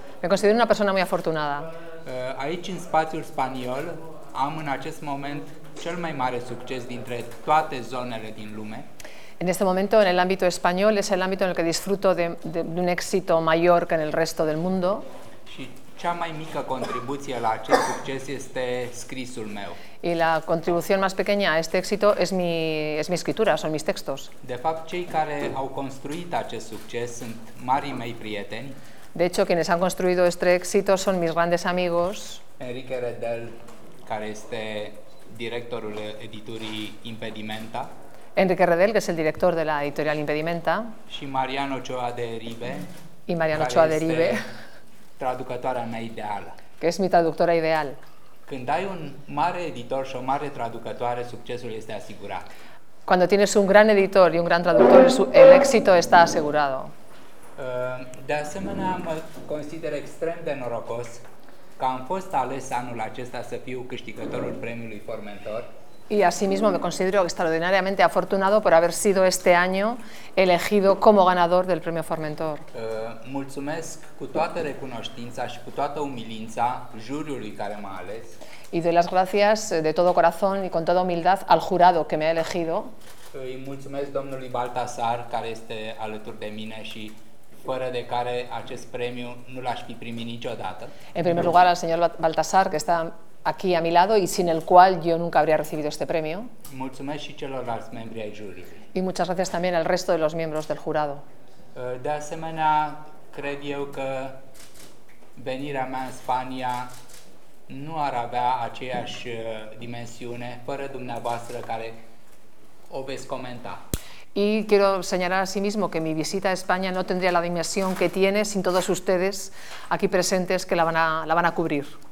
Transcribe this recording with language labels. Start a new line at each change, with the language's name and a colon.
Spanish: Me considero una persona muy afortunada.
Romanian: Aici, în spațiul spaniol, am în acest moment cel mai mare succes dintre toate zonele din lume.
Spanish: En este momento, en el ámbito español, es el ámbito en el que disfruto de un éxito mayor que en el resto del mundo.
Romanian: Și cea mai mică contribuție la acest succes este scrisul meu.
Spanish: Y la contribución más pequeña a este éxito es mi escritura, son mis textos.
Romanian: De fapt, cei care au construit acest succes sunt marii mei prieteni.
Spanish: De hecho, quienes han construido este éxito son mis grandes amigos.
Romanian: Enrique Redel, care este directorul editurii Impedimenta.
Spanish: Enrique Redel, que es el director de la editorial Impedimenta.
Romanian: Și Marian Ochoa de Ribe.
Spanish: Y Marian Ochoa de Ribe.
Romanian: Traducătoarea mea ideală.
Spanish: Que es mi traductora ideal.
Romanian: Când ai un mare editor și o mare traducătoare, succesul este asigurat.
Spanish: Cuando tienes un gran editor y un gran traductor, el éxito está asegurado.
Romanian: De asemenea, mă consider extrem de norocos că am fost ales anul acesta să fiu câștigătorul premiului Formentor.
Spanish: Y asimismo me considero extraordinariamente afortunado por haber sido este año elegido como ganador del premio Formentor.
Romanian: Mulțumesc cu toată recunoștința și cu toată umilința juriului care m-a ales.
Spanish: Y doy las gracias de todo corazón y con toda humildad al jurado que me ha elegido.
Romanian: Îi mulțumesc domnului Baltasar, care este alături de mine și fără de care acest premiu nu l-aș fi primit niciodată.
Spanish: En primer lugar, al señor Baltasar, que está aquí a mi lado y sin el cual yo nunca habría recibido este premio.
Romanian: Mulțumesc și celorlalți membri ai juriului.
Spanish: Y muchas gracias también al resto de los miembros del jurado.
Romanian: De asemenea, cred eu că venirea mea în Spania nu ar avea aceeași dimensiune fără dumneavoastră care o veți comenta.
Spanish: Y quiero señalar asimismo que mi visita a España no tendría la dimensión que tiene sin todos ustedes aquí presentes que la van a cubrir.